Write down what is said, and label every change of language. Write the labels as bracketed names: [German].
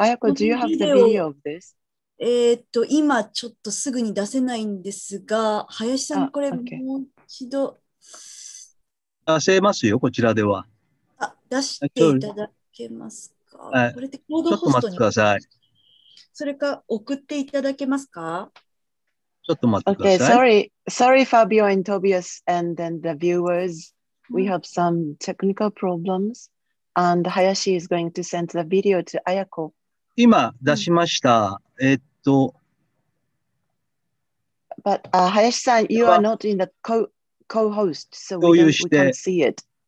[English] Ayako, do you have the video of this? [Japanese] 今ちょっとすぐに出せないんですが、林さん、これもう一度。出せますよ、こちらでは。あ、出していただけますか?これってコードホストに。ちょっと待ってください。それか、送っていただけますか? ちょっと待ってください。 [English] Sorry, Fabio and Tobias, and then the viewers. We have some technical problems. And Hayashi is going to send the video to Ayako. [Japanese] 今出しました。 [English] But Hayashi-san, you are not in the co-host, so we can't see it.